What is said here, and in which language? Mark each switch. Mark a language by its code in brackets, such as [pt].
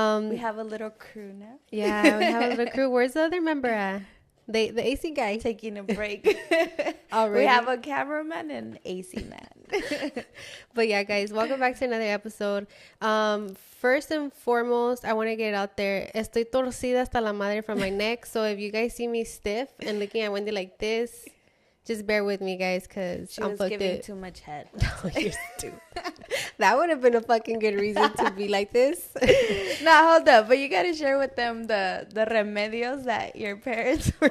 [en] We have a little crew now. Yeah, we have a little crew. Where's the other member at? The AC guy taking a break. Already? We have a cameraman and AC man. But yeah, guys, welcome back to another episode. First and foremost, I want to get out there. [es] Estoy torcida hasta la madre [en] from my neck. So if you guys see me stiff and looking at Wendy like this, just bear with me, guys, because I'm fucked. Giving too much head. Oh, you're stupid. That would have been a fucking good reason to be like this. Now, hold up. But you got to share with them the remedios that your parents were